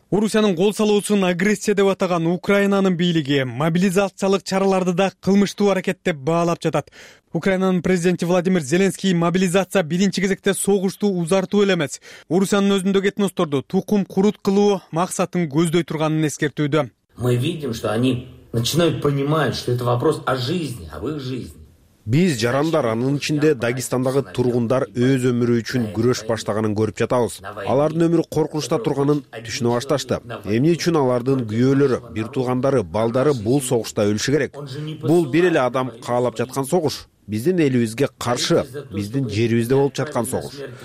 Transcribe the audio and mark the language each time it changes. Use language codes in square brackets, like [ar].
[ky] Орусиянын кол салуусун агрессия деп атаган Украинанын бийлиги мобилизациялык чараларды да кылмыштуу аракет деп баалап жатат. Украинанын президенти Владимир Зеленский мобилизация биринчи кезекте согушту узартуу эле эмес, Орусиянын өзүндөгү этносторду тукум курут кылуу максатын көздөй турганын эскертүүдө. [ru] Мы видим, что они начинают понимать, что это вопрос о жизни, об их жизни. [ky] Биз жарандар, анын ичинде Дагестандагы тургундар өз өмүрү үчүн күрөш баштаганын көрүп жатабыз. Алардын өмүрү коркунучта турганын түшүнө башташты. Эмне үчүн алардын күйөөлөрү, бир туугандары, балдары бул согушта өлүшү керек? Бул бир эле адам каалап жаткан согуш. Биздин элибизге каршы, биздин жерибизде болуп жаткан согуш.